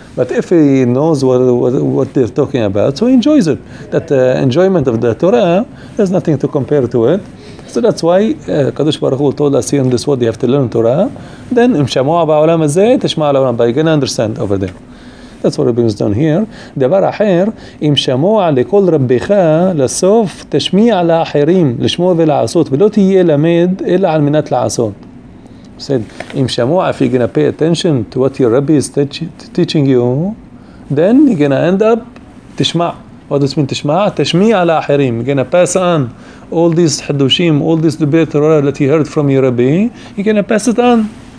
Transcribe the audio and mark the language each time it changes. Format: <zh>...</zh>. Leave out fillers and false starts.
<en>But if he knows what they're talking about, so he enjoys it. That enjoyment of the Torah, there's nothing to compare to it. So that's why Kadosh Baruch Hu told us here in this world you have to learn Torah. Then,</en> <he>Im Shamua Ba'olam Hazeh,</he> <en>Tishma'a Ba'olam Hazeh, you're going to understand over there. That's what Rabbi is done here.</en> <he>דבר אחר, אם שמוע לכל רביך, לסוף תשמיע לאחרים, לשמוע ולעשות, ולא תהיה למד, אלא על מנת לעשות.</he> <en>Said,</en> <he>אם שמוע,</he> <en>if you're going to pay attention to what your Rabbi is teaching you, then you're going to end up תשמע. What does it mean תשמע?</en> <he>תשמיע לאחרים.</he> <en>You're going to pass on all these חדושים, all these debate that you heard from your Rabbi, you're going to pass it on.</en>